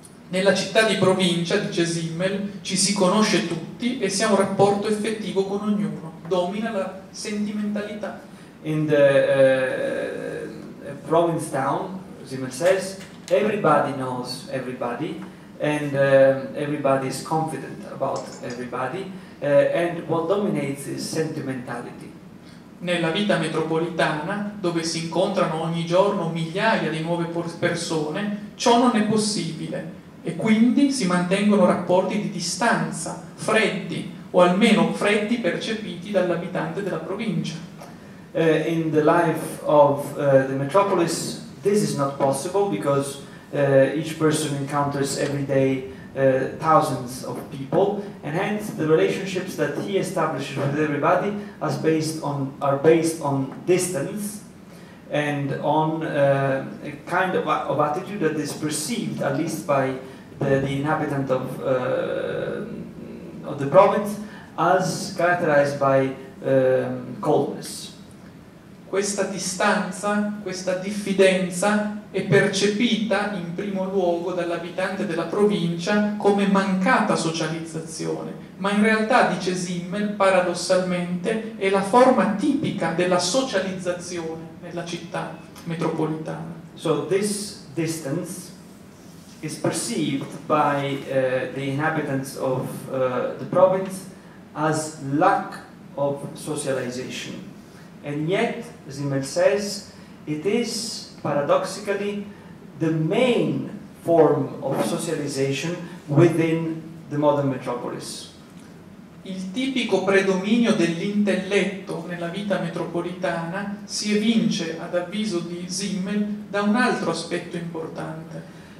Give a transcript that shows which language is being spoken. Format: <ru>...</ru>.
<it>Nella città di provincia, dice Simmel, ci si conosce tutti e si ha un rapporto effettivo con ognuno. Domina la sentimentalità.</it> <en>In the province town, Simmel says, everybody knows everybody, and everybody is confident about everybody, and what dominates is sentimentality.</en> <it>Nella vita metropolitana, dove si incontrano ogni giorno migliaia di nuove persone, ciò non è possibile. E quindi si mantengono rapporti di distanza, freddi, o almeno freddi percepiti dall'abitante della provincia.</it> <en>In the life of the metropolis, this is not possible because each person encounters every day thousands of people, and hence the relationships that he establishes with everybody are based on distance and on a kind of attitude that is perceived, at least by the inhabitant of the province, as characterized by coldness.</en> <it>Questa distanza, questa diffidenza è percepita in primo luogo dall'abitante della provincia come mancata socializzazione, ma in realtà, dice Simmel, paradossalmente è la forma tipica della socializzazione nella città metropolitana.</it> <en>So this distance is perceived by the inhabitants of the province as lack of socialization. And yet, Simmel says, it is paradoxically the main form of socialization within the modern metropolis.</en> <it>il tipico predominio dell'intelletto nella vita metropolitana si evince, ad avviso di Simmel, da un altro aspetto importante.</it>